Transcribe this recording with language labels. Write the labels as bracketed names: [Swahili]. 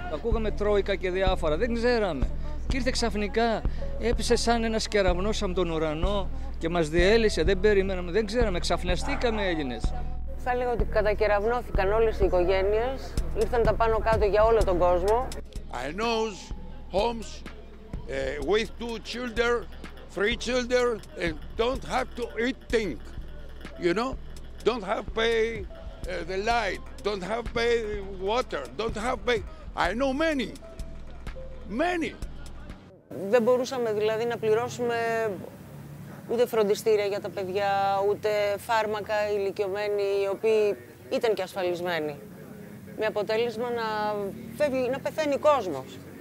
[Greek] Ακούγαμε τρόικα και διάφορα, δεν ξέραμε. Και ήρθε ξαφνικά, έπεσε σαν ένας κεραυνός από τον ουρανό και μας διέλυσε, δεν περιμέναμε, δεν ξέραμε, ξαφνιαστήκαμε Έλληνες. Θα λέγω ότι κατακεραυνώθηκαν όλες οι οικογένειες, ήρθαν τα πάνω κάτω για όλο τον κόσμο. [English] I know homes with two children, three children, and don't have to eat thing, you know, don't have pay the light, don't have pay water, don't have pay, I know many. [Greek] Δεν μπορούσαμε δηλαδή να πληρώσουμε ούτε φροντιστήρια για τα παιδιά, ούτε φάρμακα ηλικιωμένοι, οι οποίοι ήταν και ασφαλισμένοι. Με αποτέλεσμα να πεθαίνει κόσμος.